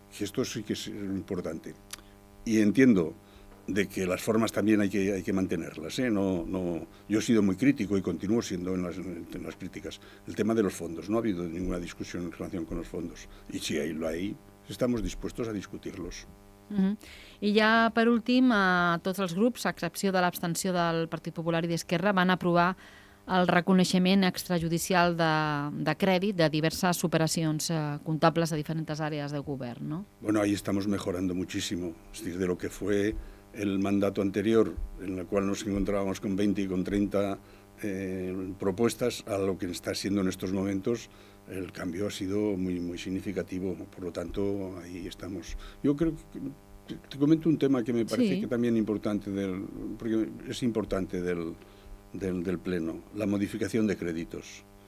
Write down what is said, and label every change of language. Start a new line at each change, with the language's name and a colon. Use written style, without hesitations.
Spanish: Y esto sí que es importante. Y entiendo de que las formas también hay que mantenerlas, ¿eh? No, yo he sido muy crítico y continúo siendo en las críticas. El tema de los fondos, no ha habido ninguna discusión en relación con los fondos. Y si ahí lo hay, estamos dispuestos a discutirlos.
Catalan: Uh-huh. I ja, per últim, tots els grups, a excepció de l'abstenció del Partit Popular i d'Esquerra, van aprovar el reconeixement extrajudicial de crèdit de diverses operacions comptables a diferents àrees de govern, no?
Spanish: Bueno, ahí estamos mejorando muchísimo. Es decir, de lo que fue el mandato anterior, en el cual nos encontrábamos con 20 y con 30 propuestas, a lo que está siendo en estos momentos, el cambio ha sido muy, muy significativo. Por lo tanto, ahí estamos. Yo creo que te comento un tema que me parece sí, que también importante porque es importante del Pleno, la modificación de créditos.